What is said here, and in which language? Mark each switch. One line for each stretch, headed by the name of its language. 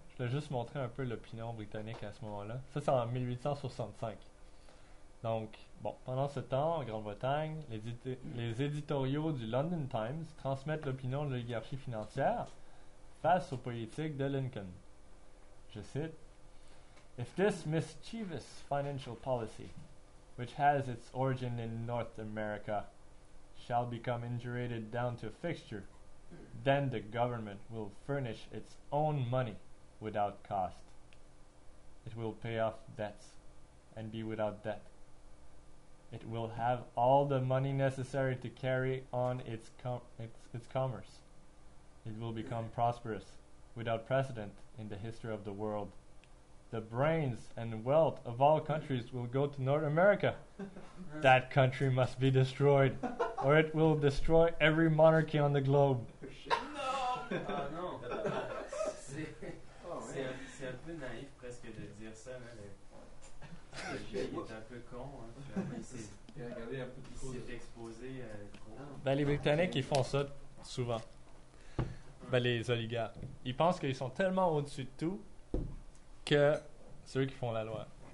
French: Je voulais juste montrer un peu l'opinion britannique à ce moment-là. Ça, c'est en 1865. Donc, bon, pendant ce temps, en Grande-Bretagne, les éditoriaux du London Times transmettent l'opinion de l'oligarchie financière face aux politiques de Lincoln. Je cite,
English: "If this mischievous financial policy, which has its origin in North America, shall become indurated down to a fixture, then the government will furnish its own money without cost. It will pay off debts and be without debt. It will have all the money necessary to carry on its commerce. It will become prosperous, without precedent in the history of the world. The brains and wealth of all countries will go to North America. That country must be destroyed, or it will destroy every monarchy on the globe." No!
French: Non! Non! C'est un peu naïf presque de dire ça, mais le vieil est un peu con. Il s'est exposé. Ben, les Britanniques, ils font ça souvent. Ben, les oligarques, ils pensent qu'ils sont tellement au-dessus de tout que c'est eux qui font la loi.